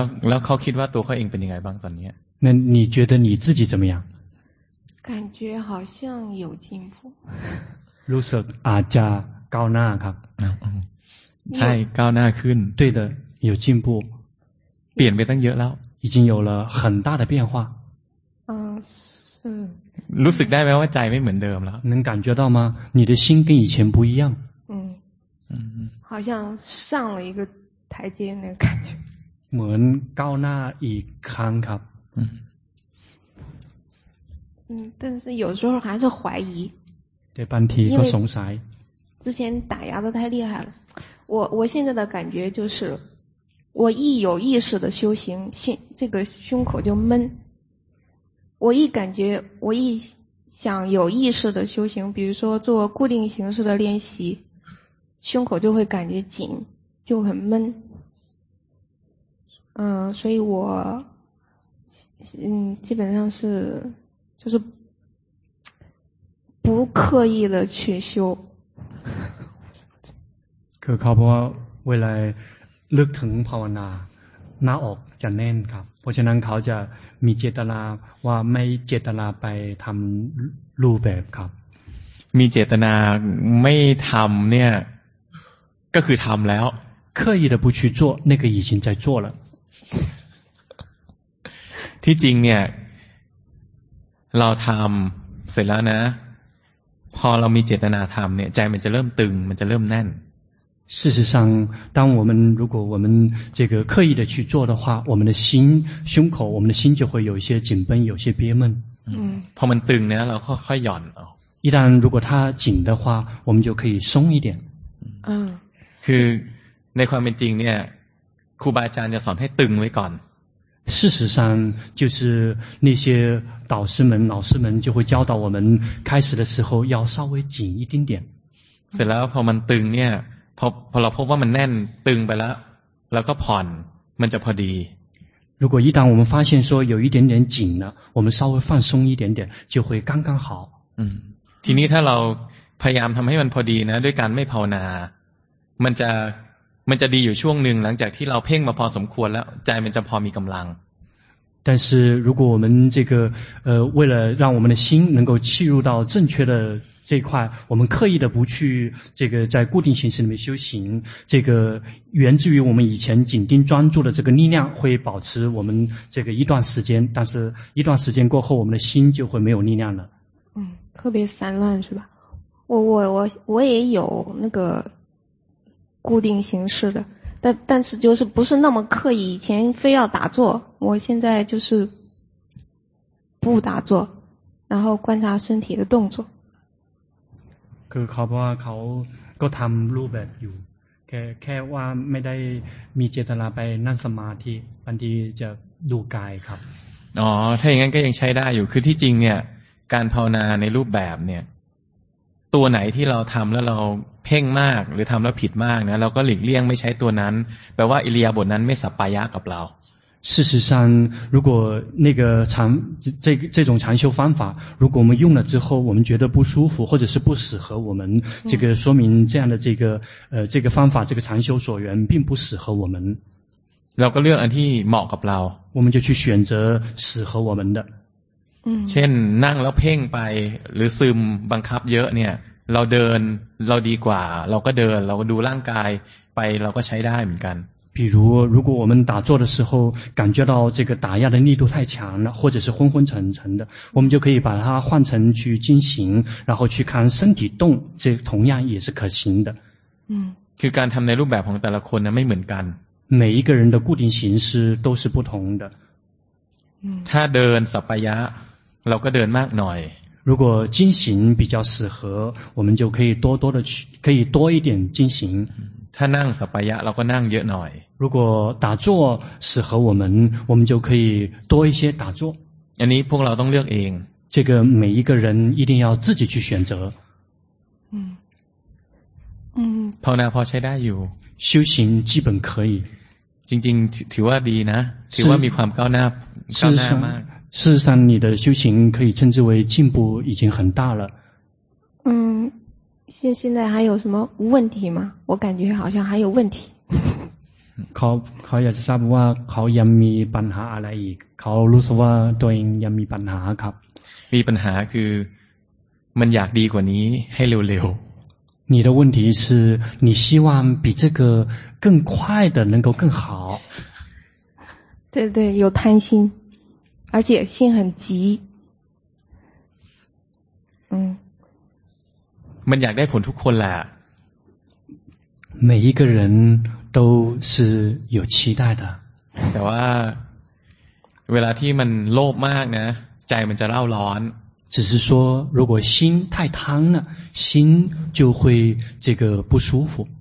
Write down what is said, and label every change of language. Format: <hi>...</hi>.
<th>แล้วเขาคิดว่าตัวเขาเองเป็นยังไงบ้างตอนนี้</th> <zh>那你觉得你自己怎么样感觉好像有进步</zh> <th>รู้สึกอาจจะก้าวหน้าครับ ใช่ก้าวหน้าขึ้น</th> <zh>对的有进步</zh> <th>เปลี่ยนไปตั้งเยอะแล้ว</th> <zh>已经有了很大的变化</zh> <th>รู้สึกได้ไหมว่าใจไม่เหมือนเดิมแล้ว</th> <zh>能感觉到吗你的心跟以前不一样好像上了一个台阶那个感觉</zh> <th>เหมือนก้าวหน้าอีกครั้งครับ</th> <zh>但是有时候还是怀疑对半天都松散之前打压的太厉害了我现在的感觉就是我一有意识的修行这个胸口就闷我一感觉我一想有意识的修行比如说做固定形式的练习胸口就会感觉紧就很闷所以我基本上是就是不刻意的去修</zh> <th>คือเขาบอกว่าเวลาลึกถึงภาวนาหน้าอกจะแน่นครับเพราะฉะนั้นเขาจะมีเจตนาว่าไม่เจตนาไปทำรูปแบบครับ มีเจตนาไม่ทำเนี่ยก็คือทำแล้ว</th> <zh>刻意的不去做那个已经在做了</zh> <th>ที่จริงเนี่ยเราทำเสร็จแล้วนะพอเรามีเจตนาทำเนี่ยใจมันจะเริ่มตึงมันจะเริ่มแน่น</th> <zh>事实上当我们如果我们这个刻意的去做的话我们的心胸口我们的心就会有一些紧绷有些憋闷</zh> <th>พอมันตึงเนี่ยเราค่อยหย่อน</th> <zh>一旦如果它紧的话我们就可以松一点</zh> <th>คือในความเป็นจริงเนี่ยครูบาอาจารย์จะสอนให้ตึงไว้ก่อน</th> <zh>事实上就是那些导师们老师们就会教导我们开始的时候要稍微紧一丁点</zh> <th>เสร็จแล้วพอมันตึงเนี่ยพอเราพบว่ามันแน่นตึงไปแล้วแล้วก็ผ่อนมันจะพอดี</th> <zh>如果一旦我们发现说有一点点紧了我们稍微放松一点点就会刚刚好</zh> <th>ทีนี้ถ้าเราพยายามทำให้มันพอดีนะด้วยการไม่ภาวนามันจะดีอยู่ช่วงหนึ่งหลังจากที่เราเพ่งมาพอสมควรแล้วใจมันจะพอมีกำลัง</th> <zh>但是如果我们这个为了让我们的心能够契入到正确的这块我们刻意的不去这个在固定形式里面修行这个源自于我们以前紧盯专注的这个力量会保持我们这个一段时间但是一段时间过后我们的心就会没有力量了特别散乱是吧我也有那个固定形式的但是就是不是那么刻意以前非要打坐我现在就是不打坐然后观察身体的动作</zh> <th>คือเขาบอกว่าเขาก็ทำรูปแบบอยู่แค่ว่าไม่ได้มีเจตนาไปนั่งสมาธิบางทีจะดูกายครับ อ๋อถ้าอย่างนั้นก็ยังใช้ได้อยู่คือที่จริงเนี่ยการภาวนาในรูปแบบเนี่ยตัวไหนที่เราทำแล้วเราเพ่งมากหรือทำแล้วผิดมากนะเราก็หลีกเลี่ยงไม่ใช้ตัวนั้นแปลว่าอิริยาบถนั้นไม่สัปปายะกับเรา</th> <zh>事实上如果那个这种禅修方法如果我们用了之后我们觉得不舒服或者是不适合我们这个说明这样的这个方法这个禅修所缘并不适合我们</zh> <th>เราก็เลือกอันที่เหมาะกับเรา</th> <zh>我们就去选择适合我们的</zh> <th>เช่นนั่งแล้วเพ่งไปหรือซึมบังคับเยอะเนี่ยเราเดินเราดีกว่าเราก็เดินเราก็ดูร่างกายไปเราก็ใช้ได้เหมือนกัน</th> <zh>比如如果我们打坐的时候感觉到这个打压的力度太强了或者是昏昏沉沉的我们就可以把它换成去进行然后去看身体动这同样也是可行的</zh> <th>คือการทำในรูปแบบของแต่ละคนนะไม่เหมือนกัน</th> <zh>每一个人的固定形式都是不同的</zh> <th>ถ้าเดินสัปปายะเราก็เดินมากหน่อย</th> <zh>如果进行比较适合我们就可以多多的去可以多一点进行</zh> <th>ถ้านั่งสัปปายะเราก็นั่งเยอะหน่อย</th> <zh>如果打坐适合我们就可以多一些打坐</zh> <th>อันนี้พวกเราต้องเลือกเอง</th> <zh>这个每一个人一定要自己去选择。嗯。</zh> <th>ภาวนาพอใช้ได้อยู่</th> <zh>修行基本可以。</zh> <th>จริงๆถือว่าดีนะถือว่ามีความก้าวหน้าก้าวหน้ามาก。</th> <zh>事实上你的修行可以称之为进步已经很大了。嗯，现在还有什么问题吗？我感觉好像还有问题。</zh> <th>เขาอยากจะทราบว่าเขายังมีปัญหาอะไรอีกเขารู้สึกว่าตัวเองยังมีปัญหาครับ มีปัญหาคือมันอยากดีกว่านี้ให้เร็ว</th> <zh>ๆ你的问题是你希望比这个更快的能够更好对对有贪心而且心很急</zh> <th>มันอยากได้ผลทุกคนแหละ</th> <zh>每一个人都是有期待的</zh> <th>แต่ว่าเวลาที่มันโลภมากนะใจมันจะเล่าร้อน</th> <zh>只是说如果心太贪了心就会这个不舒服</zh>